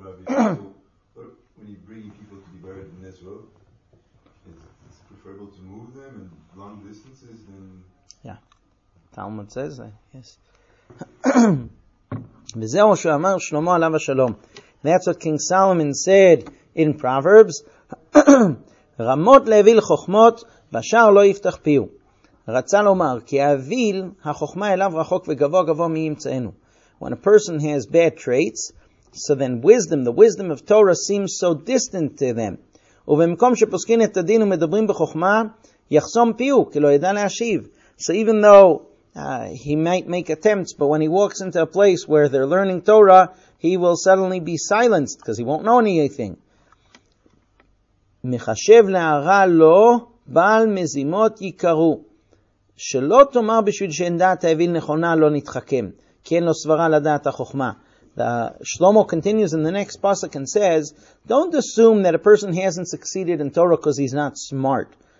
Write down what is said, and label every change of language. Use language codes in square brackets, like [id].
[en] When you bring people to be buried in this world, it's preferable to move them in long distances than. Yeah, Talmud says that. Yes. [he] וזהו שאמר שלמה עליו השלום. [en] That's what King Solomon said in Proverbs. [he] רמות לאוויל חוכמות, בשער לא יפתח פיו. רצה לומר, כי האוויל, החוכמה אליו רחוק וגבוה גבוה מי ימצאנו. [en] When a person has bad traits, so then wisdom, the wisdom of Torah seems so distant to them. [he] ובמקום שפוסקין את הדין ומדברים בחוכמה, יחסום פיו, כי לא ידע להשיב. [en] So even though he might make attempts, but when he walks into a place where they're learning Torah, he will suddenly be silenced because he won't know anything. [he] מחשב להרע לו בעל מזימות יקרו, שלא תאמר בשביל שאין דעת האוויל נכונה לא נתחכם, כי אין לו סברה לדעת החוכמה. [en] Shlomo continues in the next pasuk and says, don't assume that a person hasn't succeeded in Torah because he's not smart.